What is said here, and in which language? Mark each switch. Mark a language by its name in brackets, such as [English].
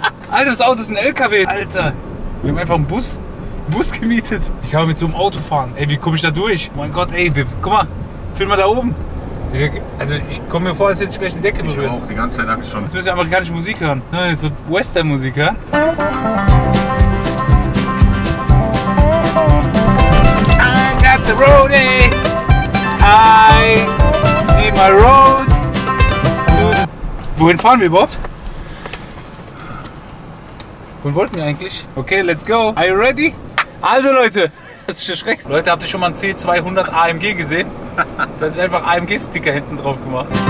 [German] Alter, das Auto ist ein LKW. Alter, wir haben einfach einen Bus gemietet. Ich kann mit so einem Auto fahren. Ey, wie komme ich da durch? Oh mein Gott, ey, guck mal, film mal da oben. Also ich komme mir vor, als hätte ich gleich eine Decke berühren. Ich habe auch die ganze Zeit Angst schon. Jetzt müssen wir amerikanische Musik hören. Ja, jetzt so Western-Musik, ja? [English] I got the road, ey. I see my road. [German] Wohin fahren wir überhaupt? Wohin wollten wir eigentlich? [English] Okay, let's go. Are you ready? [German] Also Leute, das ist erschreckend. Leute, habt ihr schon mal einen C200 AMG gesehen? Da hat sich einfach AMG-Sticker hinten drauf gemacht.